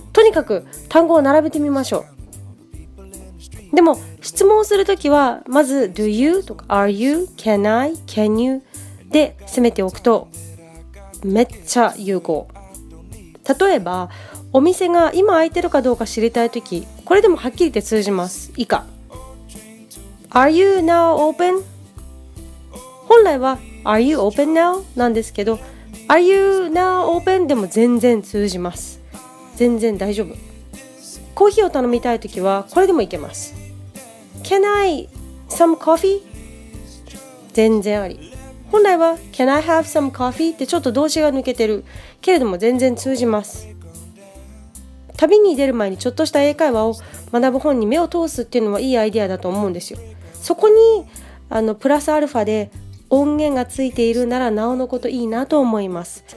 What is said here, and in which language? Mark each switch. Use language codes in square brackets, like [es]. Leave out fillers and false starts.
[ja] とにかく単語を並べてみましょう。でも質問をするときはまず [en] Do you? とか Are you? Can I? Can you? [ja] で攻めておくとめっちゃ有効。例えばお店が今空いてるかどうか知りたいとき、これでもはっきりと通じます。以下 [en] Are you now open? [ja] 本来は [en] Are you open now? [ja] なんですけど、 [en] Are you now open? [ja] でも全然通じます。全然大丈夫。コーヒーを頼みたいときはこれでもいけます。 [en] Can I some coffee? [ja] 全然あり。本来は [en] Can I have some coffee? [ja] ってちょっと動詞が抜けてるけれども全然通じます。旅に出る前にちょっとした英会話を学ぶ本に目を通すっていうのはいいアイデアだと思うんですよ。そこにプラスアルファで音源がついているならなおのこといいなと思います。